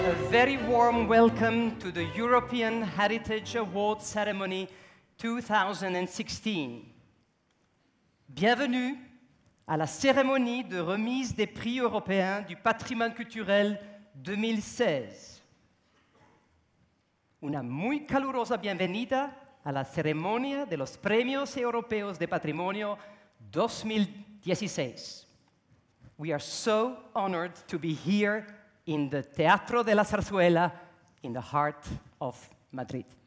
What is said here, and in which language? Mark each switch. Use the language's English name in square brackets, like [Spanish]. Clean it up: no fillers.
[English] very warm welcome to the European Heritage Award Ceremony 2016. [French] Bienvenue à la cérémonie de remise des prix européens du patrimoine culturel 2016. [Spanish] Una muy calurosa bienvenida a la ceremonia de los premios europeos de patrimonio 2016. [English] We are so honored to be here in the Teatro de la Zarzuela, in the heart of Madrid.